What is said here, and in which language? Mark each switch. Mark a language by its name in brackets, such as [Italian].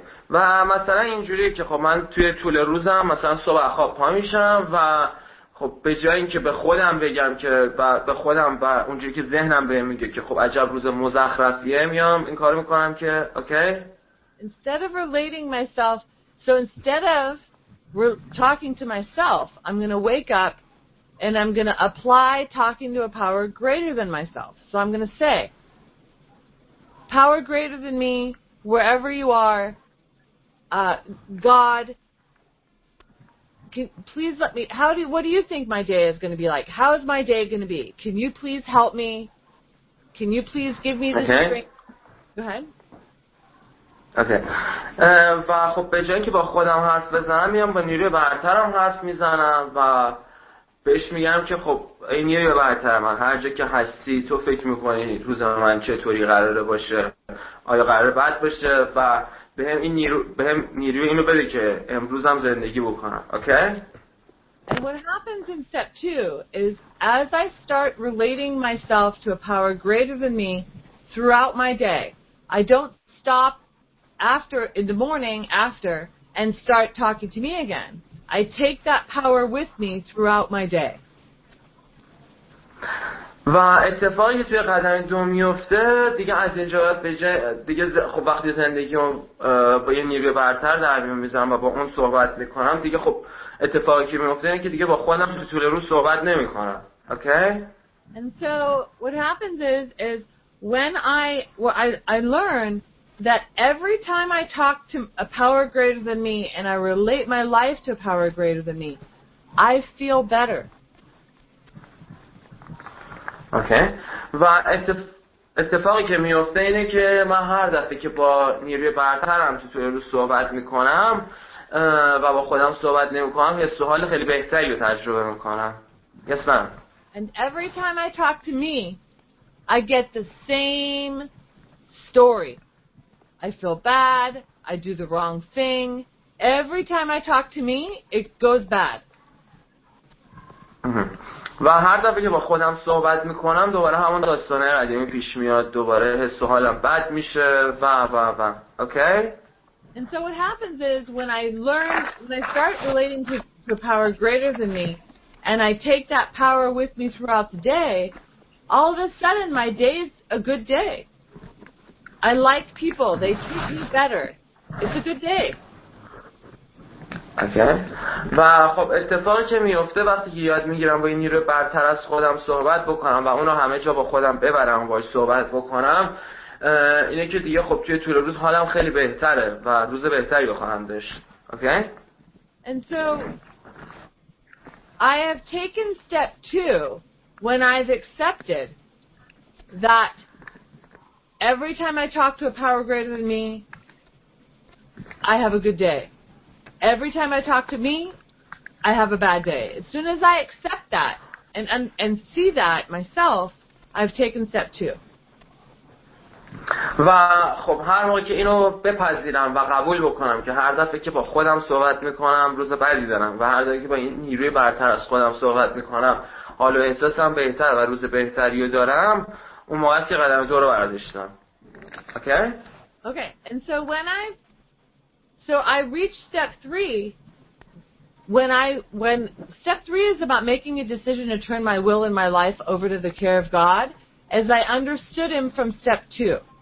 [Persian] و مثلا اینجوریه که خب من توی طول روزم مثلا صبح خواب پا میشم و خب به جای اینکه به خودم بگم که به خودم و اونجوری که ذهنم بهم میگه که خب عجب روز مزخرفیه، میام این کارو میکنم که اوکی [English] instead of relating myself so instead of talking to myself I'm going to wake up and I'm going to apply talking to a power greater than myself. So I'm going to say, power greater than me, wherever you are, God, please let me, what do you think my day is going to be like? How is my day going to be? Can you please help me? Can you please give me the strength? Go ahead. Okay. [Persian] و خب به جایی که با خودم حرف بزنم میام با نیروی برترم حرف میزنم و بهش میگم که خب این نیروی برتر من هر جا که هستی تو فکر میکنی روز من چطوری قراره باشه، آیا قراره بد باشه، و به هم نیروی اینو بده که امروزم زندگی بکنم. [English] Okay. And what happens in step 2 is as I start relating myself to a power greater than me throughout my day, I don't stop after in the morning after and start talking to me again. I take that power with me throughout my day. [Persian] و اتفاقی توی قدم دو میفته دیگه از اینجا دیگه خب وقتی زندگیمو با یه نیروی برتر در میذارم و با اون صحبت میکنم دیگه خب اتفاقی که میفته اینه که دیگه با خودم تو طول روز صحبت نمیکنم. [English] Okay. And so what happens is when I learn that every time I talk to a power greater than me and I relate my life to a power greater than me, I feel better. Okay. [Persian] و اتفاقی که میفته اینه که من هر دفعه که با نیروی برترم تو توی روز صحبت میکنم و با خودم صحبت نمیکنم یه سوال خیلی بهتری رو تجربه میکنم. [English] Yes, ma'am. And every time I talk to me, I get the same story. I feel bad, I do the wrong thing. Every time I talk to me, it goes bad. [Persian] و هر دفعه که با خودم صحبت میکنم دوباره همون داستانه قدیمی پیش میاد، دوباره حس و حالم بد میشه و و و. [English] Okay. And so what happens is when I start relating to the power greater than me and I take that power with me throughout the day, all of a sudden my day is a good day. I like people. They treat me better. It's a good day. Okay. [Persian] و خب اتفاقی که میفته وقتی که یاد میگیرم با این نیروی برتر از خودم صحبت بکنم و اونو همه جا با خودم ببرم و باش صحبت بکنم اینه که دیگه خب توی طول روز حالم خیلی بهتره و روز بهتری خواهم داشت. [English] Okay? And so I have taken step 2 when I've accepted that every time I talk to a power greater than me, I have a good day. Every time I talk to me, I have a bad day. As soon as I accept that and see that myself, I've taken step 2. [Persian] و خب هر موقع که اینو بپذیرم و قبول بکنم که هر دفعه که با خودم صحبت میکنم روز بدی دارم و هر دفعه که با این نیروی برتر از خودم صحبت میکنم حال و احساسم بهتر و روز بهتری رو دارم، اون موقع که قدم دو رو برداشتم. [English] Okay? Okay. And so when I reach step 3, when step 3 is about making a decision to turn my will and my life over to the care of God, as I understood him from step 2.